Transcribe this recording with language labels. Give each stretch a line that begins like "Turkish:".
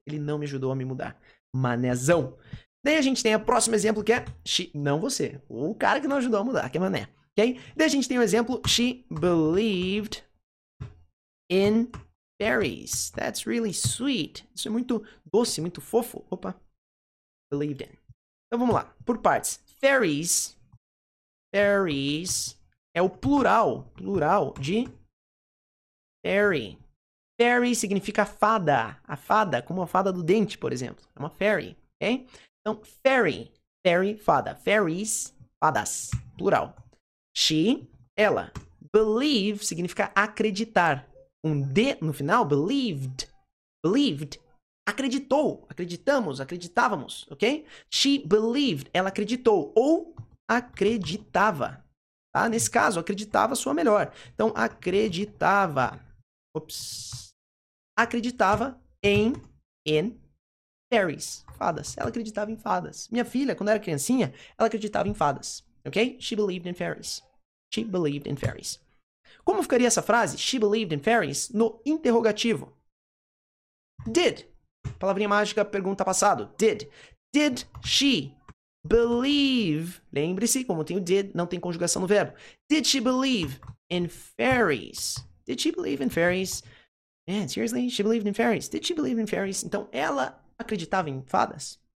Portuguese: Ele não me ajudou a me mudar. Manézão. Daí a gente tem o próximo exemplo que é... She, não você. O cara que não ajudou a mudar, que é mané. Ok? Daí a gente tem o exemplo...
English: She believed in fairies. That's really sweet.
Portuguese: Isso é muito doce, muito fofo. Opa. Believed in. Então vamos lá. Por partes. Fairies. Fairies. É o plural. Plural de... Fairy. Fairy significa fada. A fada, como a fada do dente, por exemplo. É uma fairy, ok? Então, fairy. Fairy, fada. Fairies, fadas. Plural. She, ela. Believe significa acreditar. Um D no final, believed. Believed. Acreditou. Acreditamos, acreditávamos, ok?
English: She believed.
Portuguese: Ela acreditou. Ou acreditava. Tá? Nesse caso, acreditava sua melhor. Então, acreditava. Ops. Acreditava em fairies, fadas. Ela acreditava em fadas. Minha filha, quando era criancinha, ela acreditava em fadas. Ok?
English: She believed in fairies. She believed in fairies.
Portuguese: Como ficaria essa frase?
English: She believed in fairies
Portuguese: no interrogativo.
English: Did.
Portuguese: Palavrinha mágica, pergunta passado.
English: Did. Did she believe?
Portuguese: Lembre-se, como tem o did, não tem conjugação no verbo.
English: Did she believe in fairies? Did she believe in fairies? Man, seriously? She believed in fairies. Did she believe in fairies?
Portuguese: Então, ela acreditava em fadas?